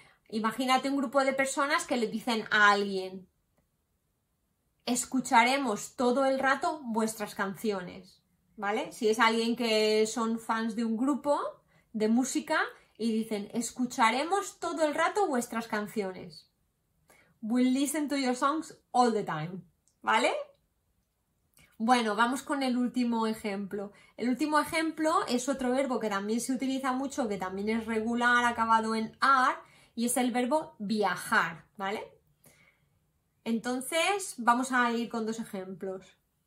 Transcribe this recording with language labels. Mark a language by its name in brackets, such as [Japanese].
[Spanish] Imagínate un grupo de personas que le dicen a alguien, escucharemos todo el rato vuestras canciones. ¿Vale? Si es alguien que son fans de un grupo de música y dicen, escucharemos todo el rato vuestras canciones. [English] We'll listen to your songs all the time. [Spanish] ¿Vale? Bueno, vamos con el último ejemplo. El último ejemplo es otro verbo que también se utiliza mucho, que también es regular, acabado en ar, y es el verbo viajar. ¿Vale? Entonces, vamos a ir con dos ejemplos.